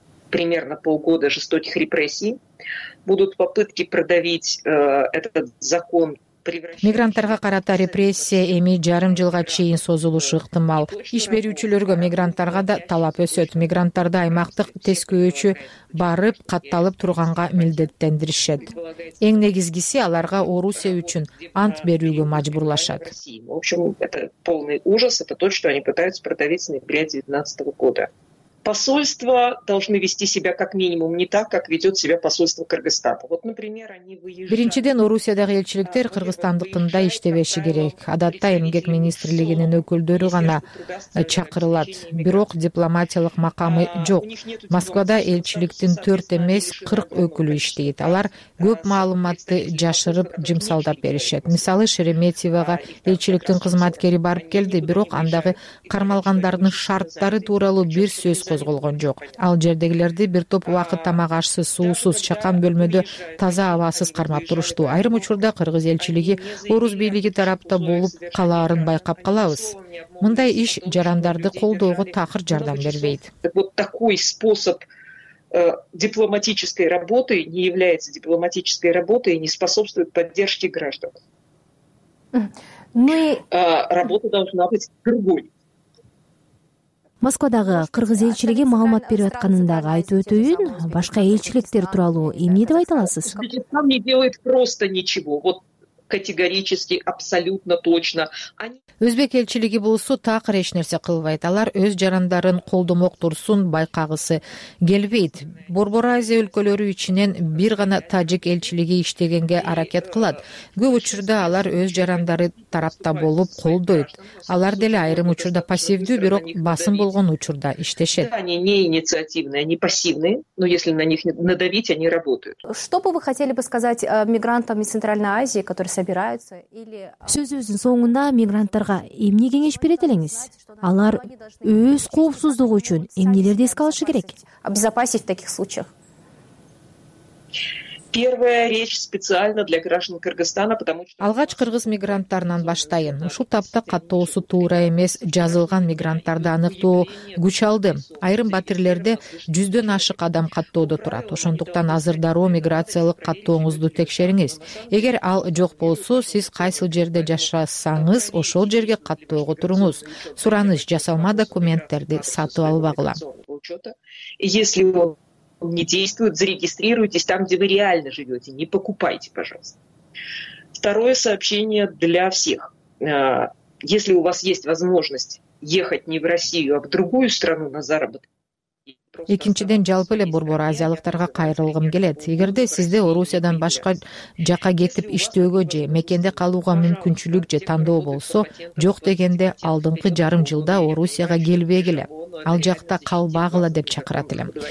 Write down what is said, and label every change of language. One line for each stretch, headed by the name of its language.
Russian: Примерно полгода жестоких репрессий. Будут попытки продавить этот закон.
Kyrgyz: Мигранттарга карата репрессия эми жарым жылга чейин созулушу ыктымал. Иш берүүчүлөргө мигранттарга да талап өсөт. Мигранттарды аймактык тескөөчү барып катталып турганга милдеттендиришет. Эң негизгиси аларга Орусия үчүн ант берүүгө мажбурлашат.
Russian: В общем, это полный ужас, это то, что они пытаются продавить с ноября 2019 года. Посольства должны вести себя как минимум не так, как ведет себя посольство Кыргызстана. Вот, например, они выезжают.
Kyrgyz: Биринчиден, Орусиядагы элчиликтер Кыргызстандыкында иштебеши керек. Адатта эмгек министрлигинин өкүлдөрү гана чакырылат. Бирок дипломатиялык макамы жок. Москвада элчиликтин 4 эмес 40 өкүлү иштейт. Алар көп маалыматты жашырып жымсалдап беришет. Мисалы, Шереметьевага элчиликтин кызматкери барып келди, бирок андагы кармалгандардын шарттары тууралуу бир сөз козголгон жок. Ал жердегилерди бир топ убакыт тамак ашсыз, суусуз, чакан бөлмөдө таза абасыз кармап турушту. Айрым учурда кыргыз элчилиги орус бийлиги тарапта болуп калаарын байкап калабыз. Мындай иш жарандарды колдоого такыр жардам бербейт.
Russian: Вот такой способ дипломатической работы не является дипломатической работой и не способствует поддержке граждан. Работа должна быть другой.
Kyrgyz: Москвадагы кыргыз элчилиги маалымат берип атканындагы айтып өтөйүн, башка элчиликтер тууралуу эмне деп айта аласыз?
Russian: Кыргызстан не делает просто ничего. Вот категорически, абсолютно точно.
Kyrgyz: Өзбек элчилиги болсо такыр эч нерсе кылбайт. Алар өз жарандарын колдомок турсун байкагысы келбейт. Борбор Азия өлкөлөрү ичинен бир гана тажик элчилиги иштегенге аракет кылат. Көп учурда алар өз жарандары тарапта болуп колдойт. Алар деле айрым учурда пассивдүү, бирок басым болгон учурда иштешет.
Russian: Они не инициативные, они пассивные, но если на них надавить, они работают. Что бы вы хотели бы сказать мигрантам из Центральной Азии, которые собираются или
Kyrgyz: сөзүбүздүн соңунда мигранттарга эмне кеңеш берет элеңиз? Алар өз коопсуздугу үчүн эмнелерди эске алышы керек?
Russian: Обезопасить в таких случаях. Первая речь специально для граждан Кыргызстана, потому что
Kyrgyz: алгач кыргыз мигранттарынан баштайын. Ушул тапта каттоосу туура эмес жазылган мигранттарды аныктоо күч алды. Айрым батирлерде 100-дөн ашык адам каттоодо турат. Ошондуктан азыр дароо миграциялык каттооңузду текшериңиз. Эгер ал жок болсо, сиз кайсыл жерде жашасаңыз, ошол жерге каттоого туруңуз. Сураныш жасалма документтерди сатып албагыла.
Russian: Если он не действует, зарегистрируйтесь там, где вы реально живете. Не покупайте, пожалуйста. Второе сообщение для всех. Если у вас есть возможность ехать не в Россию, а в другую страну на заработок,
Kyrgyz: экинчиден, жалпы эле борбор азиялыктарга кайрылгым келет. Эгерде сизде Орусиядан башка жака кетип иштөөгө же мекенде калууга мүмкүнчүлүк же тандоо болсо, жок дегенде алдыңкы жарым жылда Орусияга келбегиле, ал жакта калбагыла деп чакырат элем.